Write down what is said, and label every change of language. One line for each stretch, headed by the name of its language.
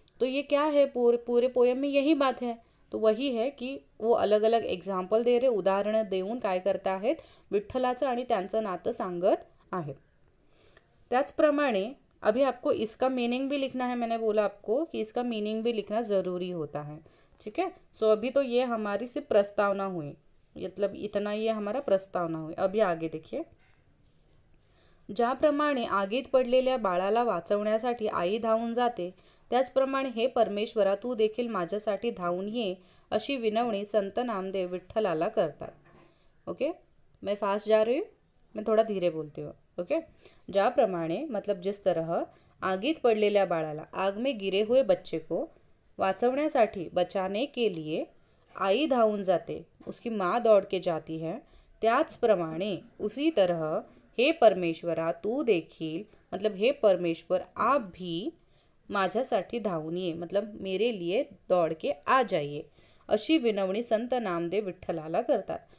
Hindi: तो ये क्या है, पूरे पोयम में यही बात है, तो वही है कि वो अलग अलग एग्जाम्पल दे रहे,
Marathi: उदाहरण देऊन काय करता है विठ्ठलाचं आणि त्यांचं नातं सांगत आहे।
Hindi: त्याचप्रमाणे अभी आपको इसका मीनिंग भी लिखना है, मैंने बोला आपको कि इसका मीनिंग भी लिखना जरूरी होता है। ठीक है, सो अभी तो ये हमारी सिर्फ प्रस्तावना हुई, मतलब इतना ये हमारा प्रस्तावना हुई।
Marathi: अभी आगे देखिए, ज्याप्रमाणे आगीत पडलेल्या बाळाला वाचवण्यासाठी आई धावून जाते, त्याचप्रमाणे हे परमेश्वरा तू देखील माझ्यासाठी धावून ये, अशी विनवणी संत नामदेव विठ्ठलाला करतात।
Hindi: ओके, मैं फास्ट जा रही हूँ, मैं थोड़ा धीरे बोलती हूँ। ओके, ज्याप्रमाणे मतलब जिस तरह
Marathi: आगीत पडलेल्या बाळाला,
Hindi: आग में गिरे हुए बच्चे को वाचवण्यासाठी, बचाने के लिए
Marathi: आई धावून जाते,
Hindi: उसकी माँ दौड़ के जाती है, त्याचप्रमाणे उसी तरह
Marathi: हे परमेश्वरा तू देखील,
Hindi: मतलब हे परमेश्वर आप भी
Marathi: माझ्यासाठी धावून ये,
Hindi: मतलब मेरे लिए दौड़ के आ जाइए,
Marathi: अशी विनवणी संत नामदेव विठ्ठलाला करतात।